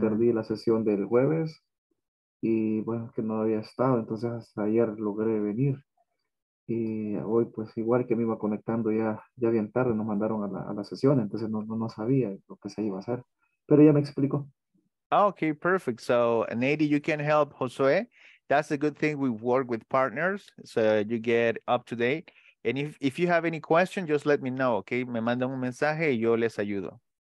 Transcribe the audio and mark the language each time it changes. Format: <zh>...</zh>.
<es>perdí la sesión del jueves y bueno, que no había estado. Entonces hasta ayer logré venir. Y hoy, pues, igual que me iba conectando ya bien tarde, nos mandaron a la sesión. Entonces, no sabía lo que se iba a hacer. Pero ella me explicó.</es> <en>Okay, perfect. So, Nady, you can help Josue. That's a good thing. We work with partners. So, you get up to date. And if you have any questions, just let me know, okay?</en> <es>Me mandan un mensaje y yo les ayudo.</es>